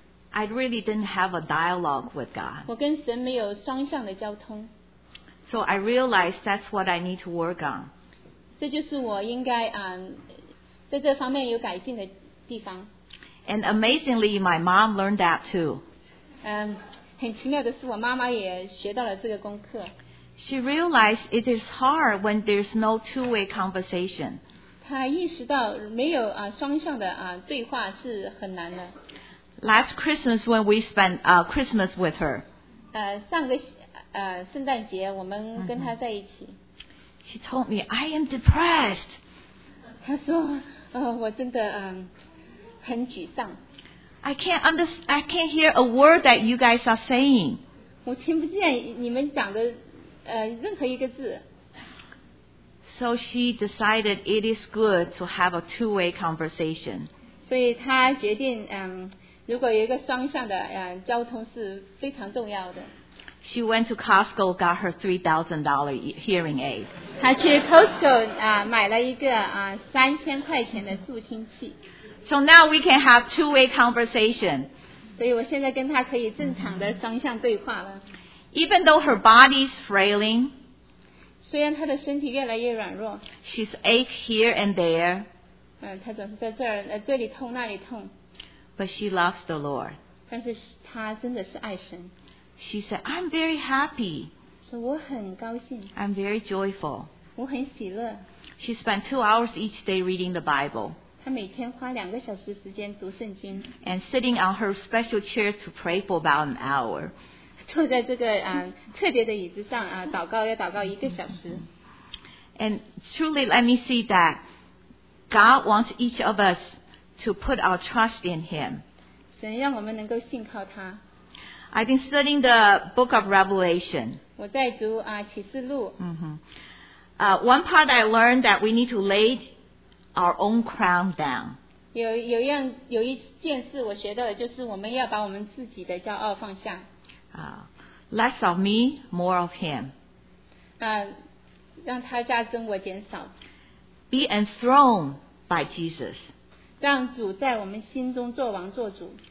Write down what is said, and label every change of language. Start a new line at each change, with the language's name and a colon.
English: I really didn't have a dialogue with God.
Chinese: 我跟神没有双向的交通。
English: So I realized that's what I need to work on.
Chinese: 这就是我应该在这方面有改进的地方。
English: And amazingly, my mom learned that too.
Chinese: 很奇妙的是，我妈妈也学到了这个功课。
English: She realized it is hard when there's no two-way conversation.
Chinese: 她意识到没有双向的对话是很难的。
English: Last Christmas when we spent Christmas with her.
Chinese: 上个圣诞节我们跟她在一起。
English: She told me, I am depressed.
Chinese: 她说我真的很沮丧。
English: I can't hear a word that you guys are saying.
Chinese: 我听不见你们讲的任何一个字。
English: So she decided it is good to have a two-way conversation.
Chinese: 所以他决定如果有一个双向的交通是非常重要的。
English: She went to Costco, got her $3,000 hearing aid.
Chinese: 她去 Costco 买了一个3000块钱的助听器。
English: So now we can have two-way conversation.
Chinese: 所以我现在跟她可以正常的双向对话了。
English: Even though her body's frailing,
Chinese: 虽然她的身体越来越软弱
English: she's ache here and there.
Chinese: 她总是在这儿这里痛那里痛。
English: But she loves the Lord.
Chinese: 但是她真的是爱神。
English: She said, I'm very happy.
Chinese: So, 我很高兴。
English: I'm very joyful.
Chinese: 我很喜乐。
English: She spent 2 hours each day reading the Bible.
Chinese: 她每天花两个小时时间读圣经。
English: And sitting on her special chair to pray for about an hour.
Chinese: 坐在这个特别的椅子上祷告要祷告一个小时。
English: And truly, let me see that God wants each of us to put our trust in Him.
Chinese: 神让我们能够信靠他。
English: I've been studying the book of Revelation.
Chinese: 我在读启示录。
English: One part I learned that we need to lay our own crown down.
Chinese: 有一件事我学到的就是我们要把我们自己的骄傲放下。
English: Less of me, more of him.
Chinese: 让他加增我减少。
English: Be enthroned by Jesus.
Chinese: 让主在我们心中做王做主。